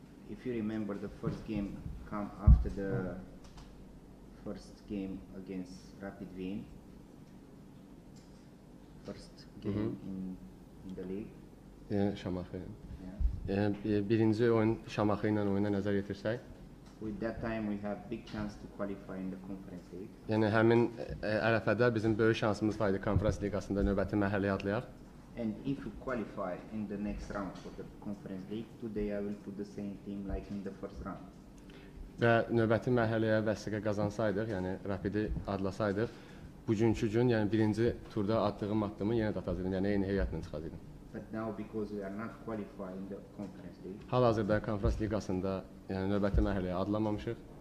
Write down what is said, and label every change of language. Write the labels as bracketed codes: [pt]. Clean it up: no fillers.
[en] If you remember the first game come after the first game against Rapid Wien, first game in the league. [az] Şamakı. Birinci oyun Şamakı ile oyuna nəzər yetirsək. [en] With that time we have big chance to qualify in the conference league. [az] Yani həmin ərəfədə bizim böyük şansımız var idi konferans liqasında növbəti mərhələyə atlayaq. [en] And if you qualify in the next round for the conference league, today I will put the same team like in the first round. [az] Ve növbəti mərhələyə vəsiqə qazansaydıq, yani Rapidi adlasaydıq, bugünkü gün, yani birinci turda attığım addımı yenə də atacaqdım, yani eyni heyətlə çıxacaqdım. [en] But now because we are not qualified in the conference league. [az] Hal-hazırda konferans liqasında, yani növbəti mərhələyə adlamamışıq.